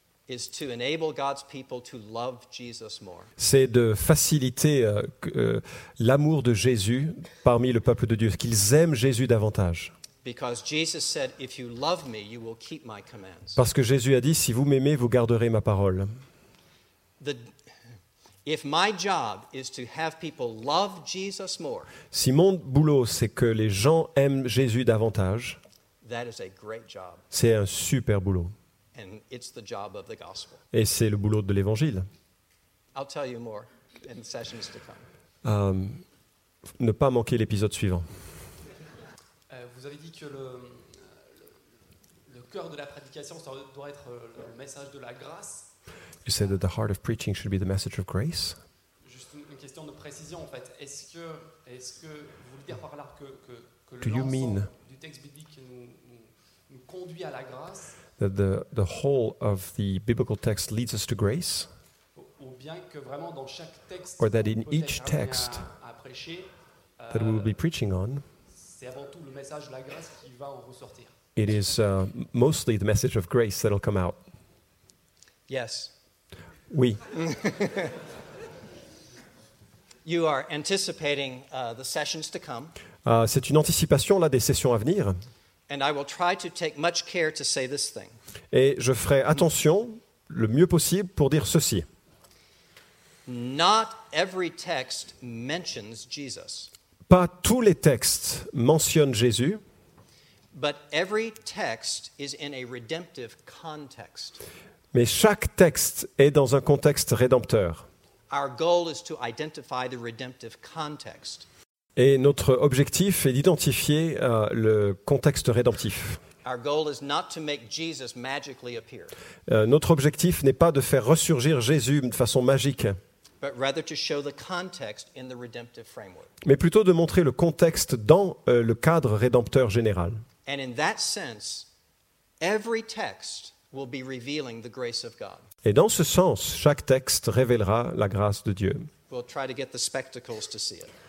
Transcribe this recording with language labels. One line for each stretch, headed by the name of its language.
English: is to enable God's people to love Jesus more.
French: C'est de faciliter l'amour de Jésus parmi le peuple de Dieu, qu'ils aiment Jésus davantage.
English: Because Jesus said, if you love me, you will keep my commands.
French: Parce que Jésus a dit, si vous m'aimez, vous garderez ma parole.
English: If my job is to have people love Jesus more.
French: Si mon boulot c'est que les gens aiment Jésus davantage.
English: That is a great job.
French: C'est un super boulot.
English: And it's the job of the gospel.
French: Et c'est le boulot de l'évangile.
English: I'll tell you more in sessions to come.
French: Ne pas manquer l'épisode suivant. Vous avez dit que le cœur de la prédication doit être le message de la grâce.
English: You said that the heart of preaching should be the message of grace.
French: Juste une question de précision en fait. Est-ce que vous voulez dire par là que
English: do you mean
French: du texte biblique nous conduit à la grâce?
English: That the whole of the biblical text leads us to grace?
French: Ou bien que vraiment dans chaque texte
English: or that in each text
French: à prêcher,
English: that we will be preaching on.
French: C'est avant tout le message de la grâce qui va en ressortir.
English: It is mostly the message of grace that'll come out. Yes.
French: Oui.
English: You are anticipating the sessions to come.
French: C'est une anticipation là des sessions à venir.
English: And I will try to take much care to say this thing.
French: Et je ferai attention le mieux possible pour dire ceci.
English: Not every text mentions Jesus.
French: Pas tous les textes mentionnent Jésus.
English: But every text is in a redemptive context.
French: Mais chaque texte est dans un contexte rédempteur.
English: Our goal is to identify the redemptive context.
French: Et notre objectif est d'identifier le contexte rédemptif.
English: Our goal is not to make Jesus magically appear.
French: Notre objectif n'est pas de faire ressurgir Jésus de façon magique.
English: But rather to show the context in the redemptive framework.
French: Mais plutôt de montrer le contexte dans le cadre rédempteur général.
English: And in that sense, every text will be revealing the grace of God.
French: Et dans ce sens, chaque texte révélera la grâce de Dieu.
English: We'll try to get the spectacles to see it.